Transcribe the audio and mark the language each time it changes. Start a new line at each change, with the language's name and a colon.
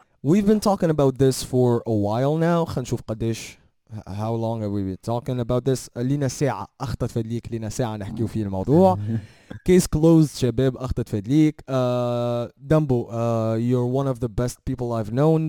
English: We've been talking about this for a while now.
Arabic: خلينا نشوف قديش.
English: How long have we been talking about this?
Arabic: لينا ساعة. أخطأت فيك لينا ساعة نحكيو في الموضوع.
English: Case closed,
Arabic: شباب. أخطأت فيك.
English: Dumbo, you're one of the best people I've known.